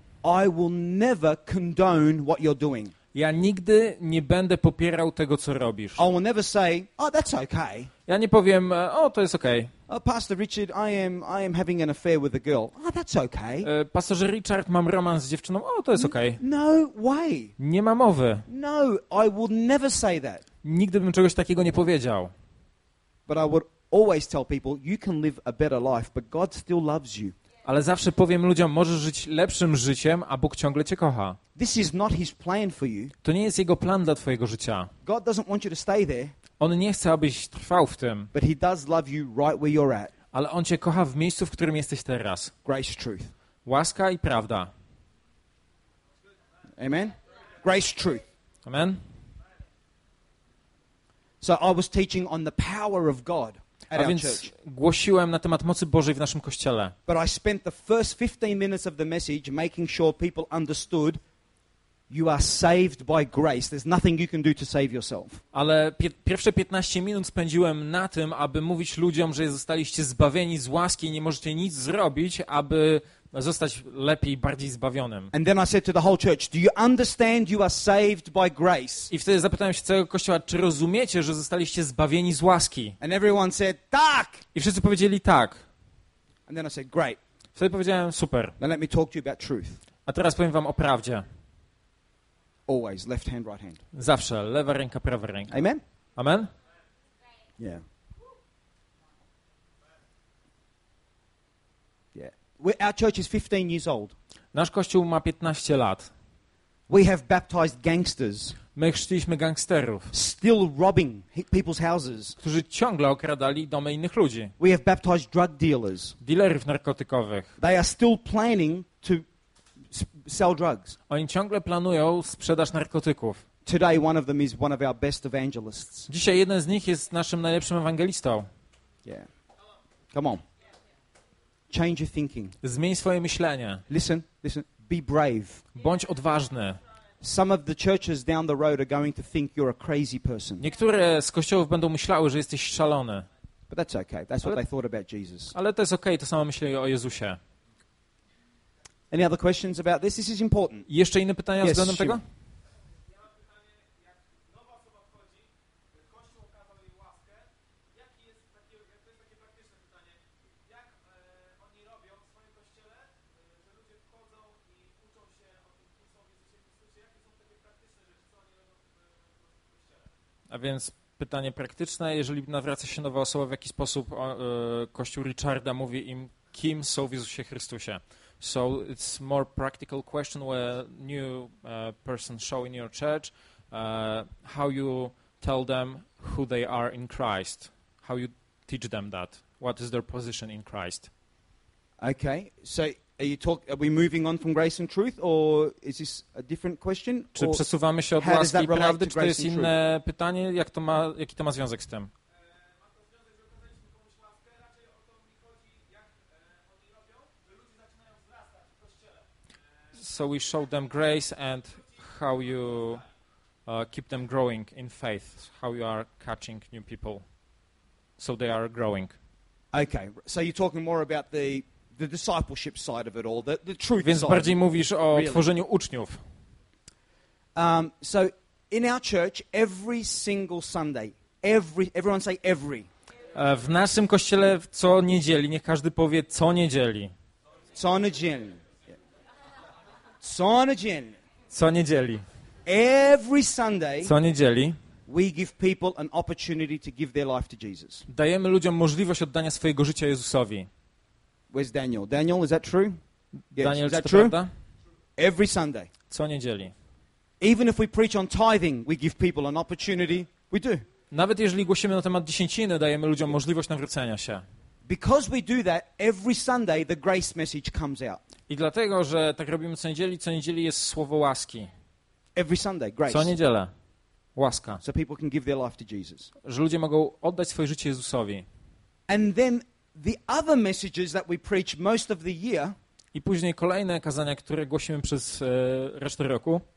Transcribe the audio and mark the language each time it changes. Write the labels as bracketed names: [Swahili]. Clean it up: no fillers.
[English] I will never condone what you're doing. [Polish] Ja nigdy nie będę popierał tego, co robisz. [English] I will never say, oh, that's okay. [Polish] Ja nie powiem, o, to jest okej. [English] Okay. Oh, Pastor Richard, I am having an affair with a girl. Oh, that's okay. [Polish] Pastorze Richard, mam romans z dziewczyną. O, to jest okej. [English] Okay. No way. [Polish] Nie ma mowy. [English] No, I will never say that. [Polish] Nigdy bym czegoś takiego nie powiedział. [English] But I would always tell people you can live a better life, but God still loves you. [Polish] Ale zawsze powiem ludziom, możesz żyć lepszym życiem, a Bóg ciągle cię kocha. [English] This is not his plan for you. [Polish] To nie jest jego plan dla twojego życia. [English] God doesn't want you to stay there. [Polish] On nie chce, abyś trwał w tym. [English] But he does love you right where you're at. [Polish] Ale on cię kocha w miejscu, w którym jesteś teraz. [English] Grace, truth. [Polish] Łaska i prawda. [English] Amen. Grace, truth. [Polish] Amen. [English] So I was teaching on the power of God. [Polish] A więc głosiłem na temat mocy Bożej w naszym kościele. [English] But I spent the first 15 minutes of the message making sure people understood You are saved by grace. There's nothing you can do to save yourself. [Polish] Ale pierwsze 15 minut spędziłem na tym, aby mówić ludziom, że zostaliście zbawieni z łaski i nie możecie nic zrobić, aby zostać lepiej, bardziej zbawionym. [English] And then I said to the whole church, do you understand you are saved by grace? [Polish] I wtedy zapytałem się całego kościoła, czy rozumiecie, że zostaliście zbawieni z łaski? [English] And everyone said, [Polish] tak! I wszyscy powiedzieli tak. [English] And then I said, great. [Polish] Wtedy powiedziałem, super. [English] Now let me talk to you about truth. [Polish] A teraz powiem wam o prawdzie. [English] Always, left hand, right hand. [Polish] Zawsze, lewa ręka, prawa ręka. [English] Amen? [Polish] Amen? [English] Yeah. Yeah. We, our church is 15 years old. [Polish] Nasz kościół ma 15 lat. [English] We have baptized gangsters. [Polish] My chrzciliśmy gangsterów. [English] Still robbing people's houses. [Polish] Którzy ciągle okradali domy innych ludzi. [English] We have baptized drug dealers. [Polish] Dealerów narkotykowych. [English] They are still planning to sell drugs. [Polish] Oni ciągle planują sprzedaż narkotyków. [English] Today one of them is one of our best evangelists. [Polish] Dzisiaj jeden z nich jest naszym najlepszym ewangelistą. [English] Yeah. Come on. Change your thinking. [Polish] Zmień swoje myślenie. [English] Listen. Be brave. [Polish] Bądź odważny. [English] Some of the churches down the road are going to think you're a crazy person. [Polish] Niektóre z kościołów będą myślały, że jesteś szalony. [English] But that's okay. That's what they thought about Jesus. [Polish] Ale to jest okay. To samo myśleli o Jezusie. [English] Any other questions about this? This is important. [Polish] Jeszcze inne pytania [English] yes, [Polish] względem [English] sure. [Polish] tego? A więc pytanie praktyczne, jeżeli nawraca się nowa osoba, w jaki sposób Kościół Richarda mówi im, kim są w Jezusie Chrystusie? [English] So it's more practical question where new person show in your church, how you tell them who they are in Christ, how you teach them that, what is their position in Christ. Okay, so are we moving on from grace and truth, or is this a different question? [Polish] Czy przesuwamy się od łaski i prawdy, czy to jest inne pytanie, jaki to ma związek z tym? [English] So we show them grace and how you keep them growing in faith, how you are catching new people, so they are growing. Okay, so you're talking more about the discipleship side of it all, the truth. [Polish] Więc [English] side [Polish] bardziej [English] of it, [Polish] mówisz o [English] really [Polish] tworzeniu uczniów. [English] So in our church, every single Sunday, everyone say every. [Polish] W naszym kościele co niedzieli, niech każdy powie co niedzieli. Co niedzieli. Co niedzieli. [English] Every Sunday. [Polish] Co niedzieli. [English] We give people an opportunity to give their life to Jesus. [Polish] Dajemy ludziom możliwość oddania swojego życia Jezusowi. [English] Where's Daniel? Daniel, is that true? Yes. Daniel, is that true? [Polish] Prawda? [English] Every Sunday. [Polish] Co niedzieli. [English] Even if we preach on tithing, we give people an opportunity. We do. [Polish] Nawet jeżeli głosimy na temat dziesięciny, dajemy ludziom możliwość nawrócenia się. [English] Because we do that every Sunday, the grace message comes out. [Polish] I dlatego, że tak robimy co niedzieli jest słowo łaski. [English] Every Sunday, grace. [Polish] Co niedzielę, łaska. [English] So people can give their life to Jesus. [Polish] Że ludzie mogą oddać swoje życie Jezusowi. [English] And then the other messages that we preach most of the year. [Polish] I później kolejne kazania, które głosimy przez resztę roku.